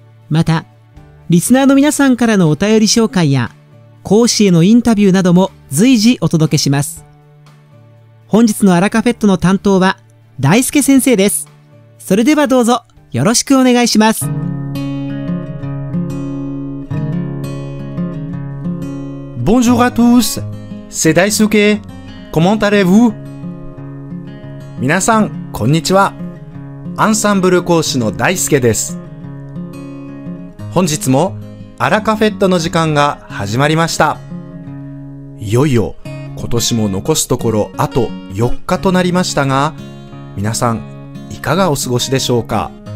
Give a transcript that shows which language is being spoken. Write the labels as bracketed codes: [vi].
[ja] またリスナーの皆さんからのお便り紹介や講師へのインタビューなども随時お届けします。本日のアラカフェットの担当は大輔先生です。それではどうぞよろしくお願いします。 [fr] Bonjour à tous, c'est Daisuke. Comment allez-vous? [ja] 皆さんこんにちは。アンサンブル講師の大輔です。本日もアラカフェットの時間が始まりました。いよいよ今年も残すところあと4日となりましたが、皆さんいかがお過ごしでしょうか。